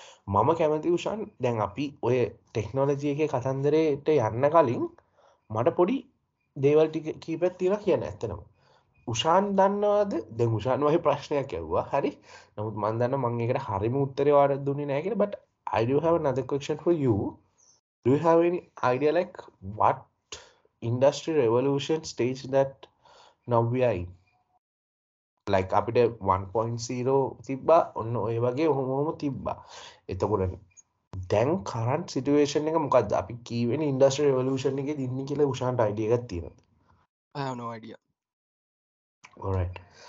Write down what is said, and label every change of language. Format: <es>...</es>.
<si>මම කැමති උෂාන් දැන් අපි ඔය ටෙක්නොලොජි එකේ කතන්දරයට යන්න කලින් මට පොඩි දේවල් ටික කීපයක් තියෙනවා කියන්නේ ඇත්තනම. උෂාන් දන්නවද? දැන් උෂාන් වගේ ප්‍රශ්නයක් ඇහුවා. හරි. නමුත් මම දන්න මම ඒකට හරිම උත්තරේ වාර දුන්නේ නැහැ කියලා.</si> <en>But I do have another question for you. Do you have any idea like what industry revolution stage that now we are in?</en> <si>Like අපිට 1.0 තිබ්බා, ඔන්න ඔය වගේ ඔහොමම තිබ්බා. එතකොට දැන්</si> <en>current situation</en> <si>එක මොකද්ද? අපි කීවෙන industry revolution එකේ දින්නේ කියලා උෂාන්ට idea එකක් තියෙනවද?</si> <en>I have no idea. Alright.</en>